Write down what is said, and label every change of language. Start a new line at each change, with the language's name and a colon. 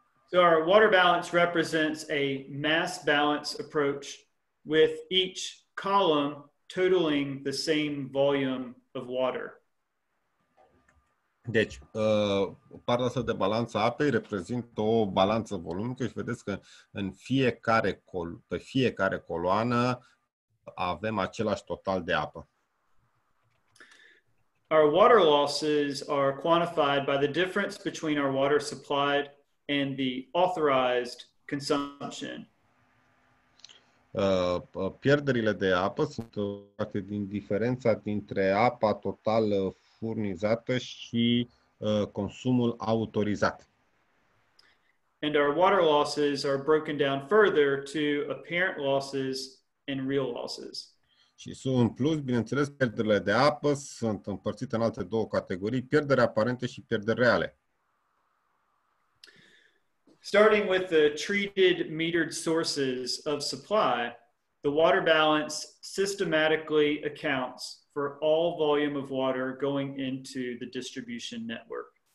English: So our water balance represents a mass balance approach with each column totaling the same volume of water.
Romanian: Deci, partea asta de balanță apei reprezintă o balanță volumică și vedeți că în fiecare pe fiecare coloană avem același total de apă.
English: Our water losses are quantified by the difference between our water supplied and the authorized consumption.
Romanian: Pierderile de apă sunt parte din diferența dintre apa totală furnizată și consumul autorizat.
English: And our water losses are broken down further to apparent losses and real losses.
Romanian: Și în plus, bineînțeles, pierderile de apă sunt împărțite în alte două categorii, pierderi aparente și pierderi reale.
English: Starting with the treated metered sources of supply, the water balance systematically accounts for all volume of water going into the distribution network.